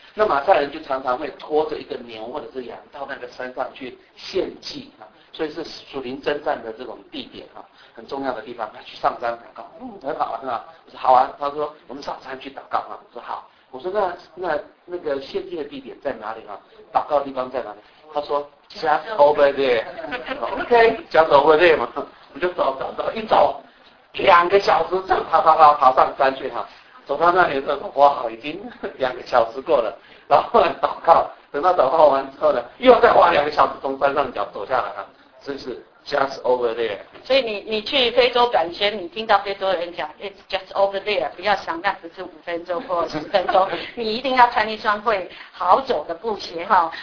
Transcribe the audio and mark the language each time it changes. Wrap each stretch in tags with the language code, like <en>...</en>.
<zh>那马赛人就常常会拖着一个牛或者是羊到那个山上去献祭所以是属灵征战的这种地点很重要的地方，去上山祷告，很好玩我说好啊，他说我们上山去祷告我说好，我说那个献祭的地点在哪里祷告的地方在哪里？他说</zh> <en>just over there， OK， just over there</en> <zh>嘛，我就走一走。两个小时正啪啪啪爬上山去走到那里的时候，哇，已经两个小时过了，然后祷告，等到祷告完之后呢，又再花两个小时从山上走下来真是</zh> <en>just over there.</en> <zh>所以 你去非洲短宣，你听到非洲人讲</zh> <en>it's just over there，</en> <zh>不要想那只是五分钟或十分钟，你一定要穿一双会好走的布鞋哈。</zh>